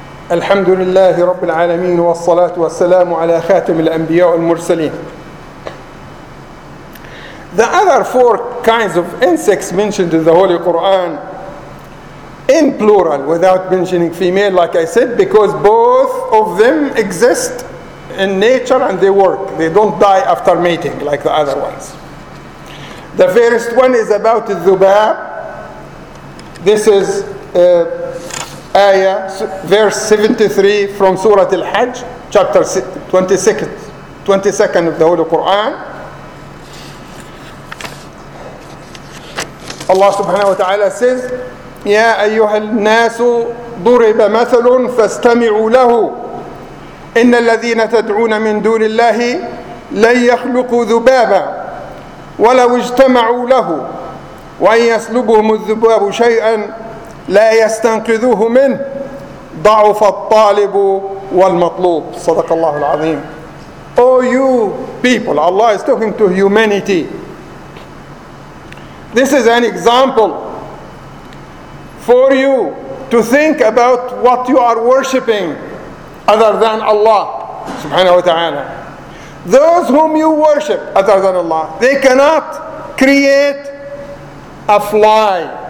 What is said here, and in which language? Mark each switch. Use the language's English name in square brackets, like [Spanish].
[Arabic] الحمد لله رب العالمين والصلاة والسلام على خاتم الأنبياء والمرسلين. [English] The other four kinds of insects mentioned in the Holy Quran in plural, without mentioning female, like I said, because both of them exist in nature and they work. They don't die after mating like the other ones. The first one is about الذباب. This is Ayah, verse 73 from Surah Al-Hajj, chapter 22nd of the Holy Quran. Allah subhanahu wa ta'ala says, [Arabic] يَا أَيُّهَا النَّاسُ ضُرِبَ مَثَلٌ فَاسْتَمِعُوا لَهُ إِنَّ الَّذِينَ تَدْعُونَ مِن دُونِ اللَّهِ لَنْ يَخْلُقُوا ذُبَابًا وَلَوْ اجْتَمَعُوا لَهُ وَأَنْ يَسْلُبُهُمُ الذُّبَابُ شَيْئًا لا يستنقذوه منه ضعف الطالب والمطلوب. صدق الله العظيم. [English] Oh you people, Allah is talking to humanity. This is an example for you to think about what you are worshipping other than Allah. subhanahu wa ta'ala. Those whom you worship other than Allah, they cannot create a fly.